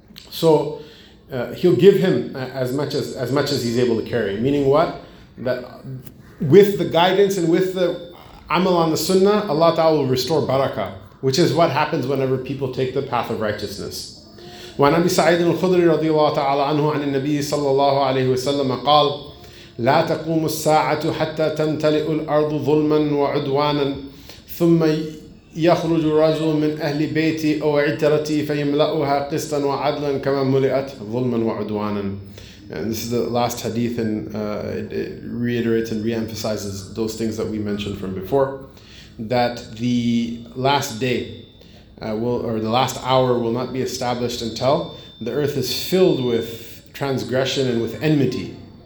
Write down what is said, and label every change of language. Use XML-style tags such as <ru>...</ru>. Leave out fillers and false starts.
<en>So he'll give him as much as he's able to carry. Meaning what? That with the guidance and with the amal on the sunnah, Allah Ta'ala will restore barakah, which is what happens whenever people take the path of righteousness.</en> <ar>وعن أبي سعيد الخدري رضي الله تعالى عنه عن النبي صلى الله عليه وسلم قال لا تقوم الساعة حتى تمتلئ الأرض ظلما وعدوانا ثم يخرج الرجل من أهل بيتي أو عترتي فيملأها قسطا وعدلا كما ملئت ظلما وعدوانا.</ar> <en>And this is the last hadith, and it reiterates and reemphasizes those things that we mentioned from before, that the last day the last hour will not be established until the earth is filled with transgression and with enmity.</en>